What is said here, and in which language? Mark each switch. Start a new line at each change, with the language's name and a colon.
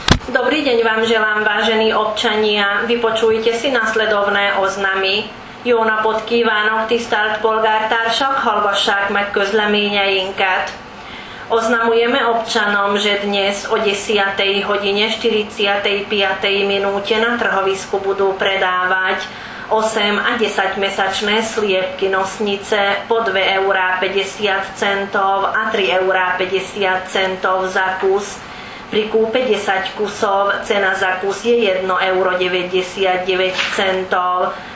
Slovak: Dobrý deň vám želám, vážení občania. Vypočujte si nasledovné oznamy.
Hungarian: Jó napot kívánok, tisztelt polgártársak, hallgassák meg közleményeinket.
Slovak: Oznamujeme občanom, že dnes o 10. hodine 45. minúte na trhovisku budú predávať 8 a 10 mesačné sliepky nosnice po 2,50 € a 3,50 € za kus. Pri kúpe 10 kusov cena za kus je 1,99 €.